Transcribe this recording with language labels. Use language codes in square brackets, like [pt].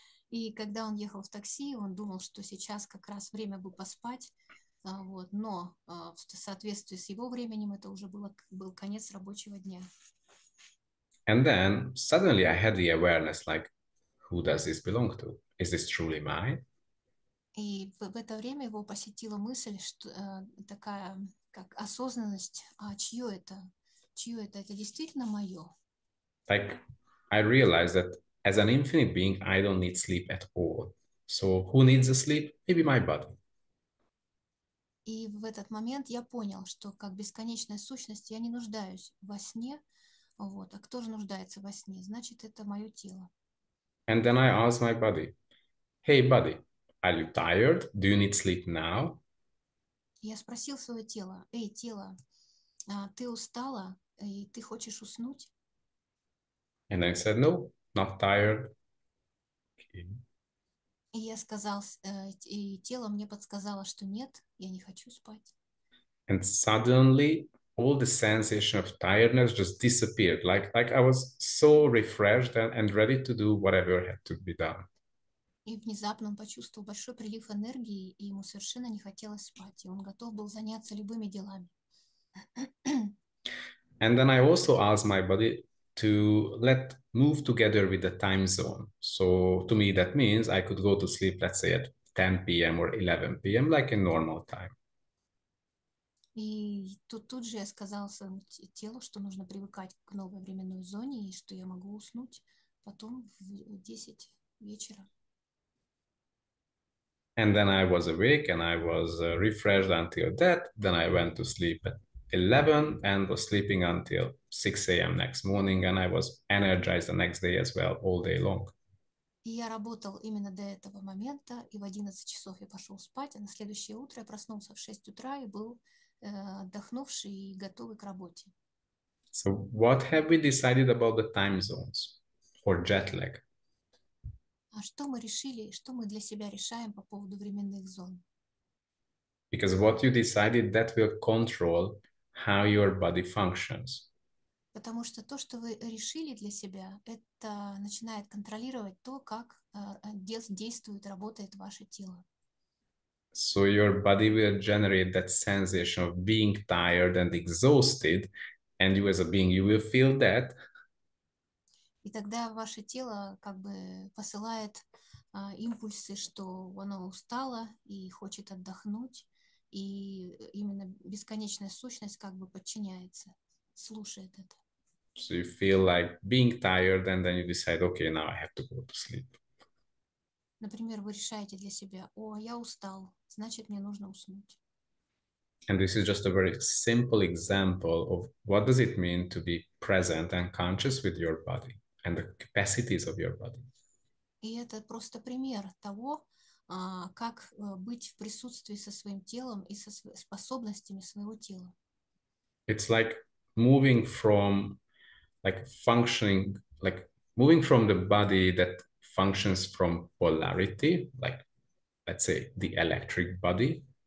[ru] И когда он ехал в такси, он думал, что сейчас как раз время бы поспать, вот, но в соответствии с его временем это уже был конец рабочего дня. [en] And then suddenly I had the awareness, like, who does this belong to? Is this truly mine? [ru] И в это время его посетила мысль, что такая, как осознанность, а чье это? Чье это? Это действительно мое? [en] Like, I realized that as an infinite being, I don't need sleep at all. So who needs a sleep? Maybe my body. [ru] И в этот момент я понял, что как бесконечная сущность я не нуждаюсь во сне. Вот. А кто же нуждается во сне? Значит, это мое тело. [en] And then I asked my body, "Hey, buddy, are you tired? Do you need sleep now?" [ru] Я спросил свое тело: «Эй, тело, ты устала и ты хочешь уснуть?» [en] And I said, "No, not tired." Okay. [ru] И я сказал, и тело мне подсказало, что нет, я не хочу спать. [en] And suddenly, all the sensation of tiredness just disappeared. Like I was so refreshed and ready to do whatever had to be done. [ru] И внезапно он почувствовал большой прилив энергии, и ему совершенно не хотелось спать, и он готов был заняться любыми делами. [en] And then I also asked my body to let move together with the time zone. So to me, that means I could go to sleep, let's say, at 10 p.m. or 11 p.m., like in normal time. [ru] И тут же я сказала своему телу, что нужно привыкать к новой временной зоне и что я могу уснуть потом в 10 вечера. [en] And then I was awake and I was refreshed until that. Then I went to sleep at 11 and was sleeping until 6 a.m. next morning. And I was energized the next day as well, all day long. [ru] И я работал именно до этого момента, и в 11 часов я пошел спать, а на следующее утро я проснулся в 6 утра и был отдохнувший и готовый к работе. [en] So what have we decided about the time zones or jet lag? [ru] А что мы решили, что мы для себя решаем по поводу временных зон? [en] Because what you decided, that will control how your body functions. [ru] Потому что то, что вы решили для себя, это начинает контролировать то, как действует, работает ваше тело. [en] So your body will generate that sensation of being tired and exhausted, and you as a being, you will feel that. [ru] И тогда ваше тело как бы посылает импульсы, что оно устало и хочет отдохнуть, и именно бесконечная сущность как бы подчиняется, слушает это. [en] So you feel like being tired, and then you decide, okay, now I have to go to sleep. [ru] Например, вы решаете для себя, о, я устал, значит, мне нужно уснуть. [en] And this is just a very simple example of what does it mean to be present and conscious with your body and the capacities of your body. [ru] И это просто пример того, как быть в присутствии со своим телом и со способностями своего тела. [en] It's like moving from like functioning, like moving from the body that functions from polarity, like let's say the electric body.